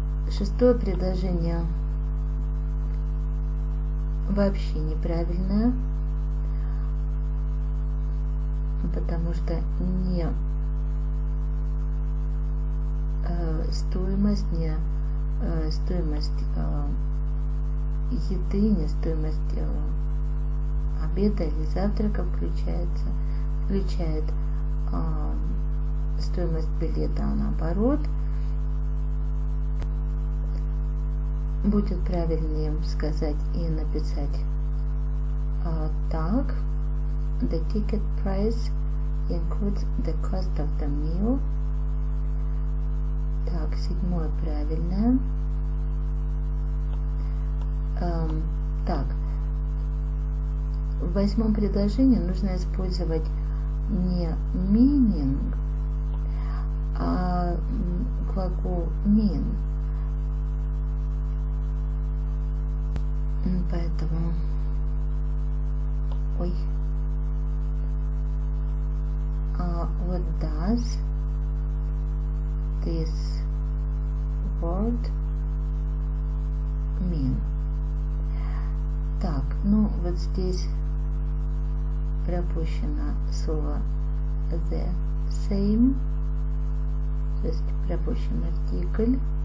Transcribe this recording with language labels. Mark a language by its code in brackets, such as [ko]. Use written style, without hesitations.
[ru] Шестое предложение вообще неправильное, потому что не стоимость, не стоимость еды, не стоимость обеда или завтрака включает стоимость билета, а наоборот. Будет правильнее сказать и написать так. [en] The ticket price includes the cost of the meal. [ru] Так, седьмое правильное. Так, в восьмом предложении нужно использовать не meaning, а глагол mean. Поэтому, ой, [en] what does this word mean? [ru] Так, ну вот здесь пропущено слово the same, то есть пропущен артикль.